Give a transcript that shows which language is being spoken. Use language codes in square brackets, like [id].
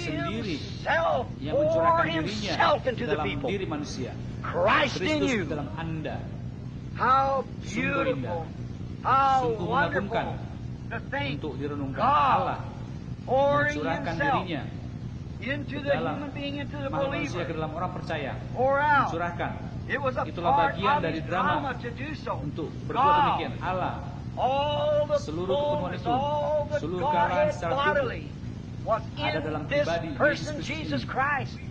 [id] sendiri yang mencurahkan dirinya dalam diri manusia. Kristus dalam Anda. [en] How beautiful. How wonderful. [id] Untuk direnungkan Allah mencurahkan dirinya [en] into the human being, into the believer. [id] Manusia ke dalam orang percaya. Mencurahkan. Itulah bagian dari drama untuk berbuat demikian. Allah, seluruh pertemuan itu, seluruh keadaan secara tubuh ada dalam pribadi Yesus Kristus.